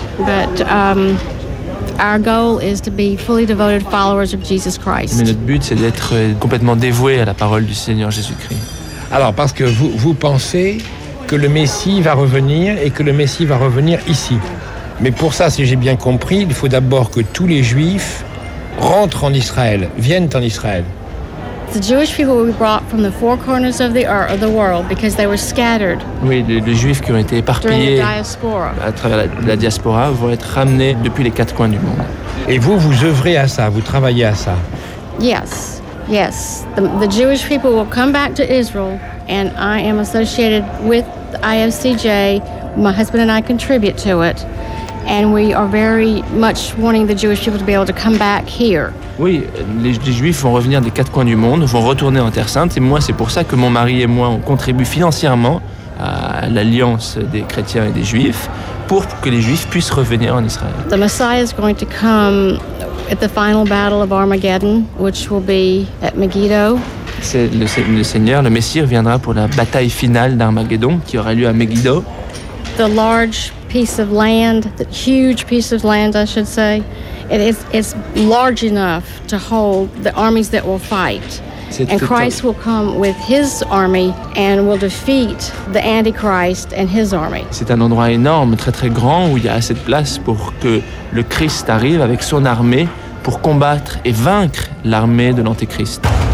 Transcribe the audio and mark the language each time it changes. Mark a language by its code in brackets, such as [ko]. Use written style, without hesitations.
[en] But, our goal is to be fully devoted followers of Jesus Christ. [fr] Mais notre but, c'est d'être complètement dévoué à la parole du Seigneur Jésus-Christ. Alors, parce que vous pensez que le Messie va revenir et que le Messie va revenir ici. Mais pour ça, si j'ai bien compris, il faut d'abord que tous les Juifs rentrent en Israël, viennent en Israël. [en] The Jewish people were brought from the four corners of the earth, of the world, because they were scattered. [fr] Oui, les Juifs qui ont été éparpillés à travers la diaspora vont être ramenés depuis les quatre coins du monde. Et vous œuvrez à ça, vous travaillez à ça. [en] Yes, yes. The Jewish people will come back to Israel, and I am associated with the IFCJ. My husband and I contribute to it, and we are very much wanting the Jewish people to be able to come back here. [fr] Oui, les Juifs vont revenir des quatre coins du monde, vont retourner en Terre Sainte. Et moi, c'est pour ça que mon mari et moi, on contribue financièrement à l'alliance des chrétiens et des Juifs pour que les Juifs puissent revenir en Israël. [en] The Messiah is going to come at the final battle of Armageddon, which will be at Megiddo. [fr] C'est le Seigneur, le Messie reviendra pour la bataille finale d'Armageddon qui aura lieu à Megiddo. [en] The large piece of land, the huge piece of land, I should say. It's large enough to hold the armies that will fight. And Christ will come with his army and will defeat the Antichrist and his army. [fr] C'est un endroit énorme, très très grand, où il y a assez de place pour que le Christ arrive avec son armée pour combattre et vaincre l'armée de l'Antichrist.